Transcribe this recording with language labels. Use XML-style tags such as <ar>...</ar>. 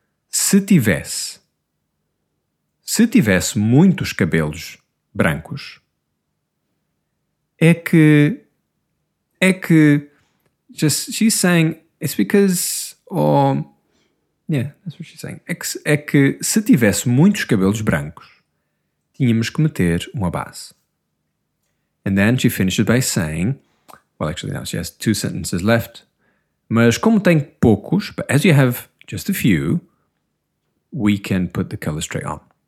<pt>Se tivesse muitos cabelos brancos, é que,</pt> <en>just, she's saying, it's because, that's what she's saying.</en> <pt>É que, se tivesse muitos cabelos brancos, tínhamos que meter uma base.</pt> <en>And then she finishes by saying, well, actually, now she has two sentences left.</en> <pt>Mas como tem poucos,</pt> <en>but as you have just a few,</en> <pt>we can put the color straight on.</pt>